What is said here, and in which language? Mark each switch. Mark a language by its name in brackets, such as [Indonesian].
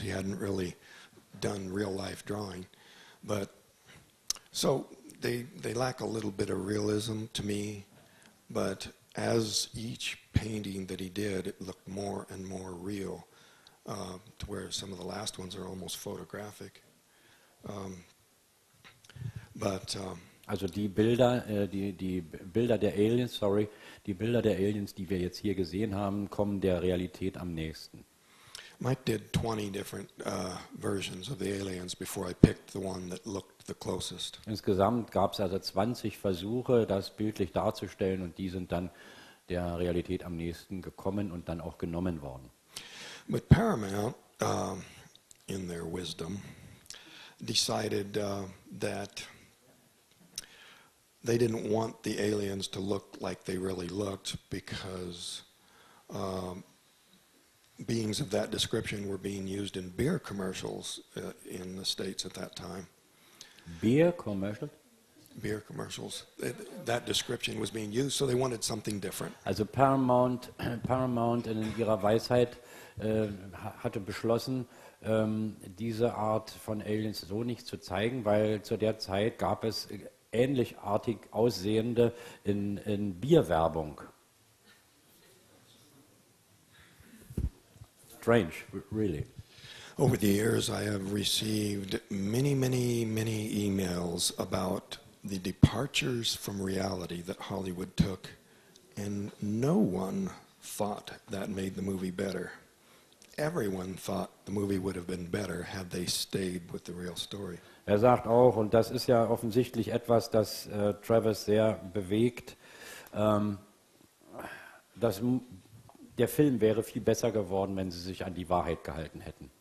[English] He hadn't really done real life drawing, but so they lack a little bit of realism to me, but as each painting that he did, it looked more and more real, to where some of the last ones are almost photographic. [German] Also die Bilder der Aliens, die wir jetzt hier gesehen haben, kommen der Realität am nächsten. [English] Mike did 20 different versions of the aliens before I picked the one that looked the closest. [German] Insgesamt gab es also 20 Versuche, das bildlich darzustellen, und die sind dann der Realität am nächsten gekommen und dann auch genommen worden. [English] But Paramount, in their wisdom, decided that they didn't want the aliens to look like they really looked, because beings of that description were being used in beer commercials in the States at that time. Beer commercials? Beer commercials. That description was being used, so they wanted something different. [German] Also Paramount in ihrer Weisheit hatte beschlossen, diese Art von Aliens so nicht zu zeigen, weil zu der Zeit gab es ähnlichartig aussehende in Bierwerbung. [English] Strange, really. Over the years, I have received many, many, many emails about the departures from reality that Hollywood took, and no one thought that made the movie better. Everyone thought the movie would have been better had they stayed with the real story. [German] Er sagt auch, und das ist ja offensichtlich etwas, das Travis sehr bewegt, dass der Film wäre viel besser geworden, wenn sie sich an die Wahrheit gehalten hätten.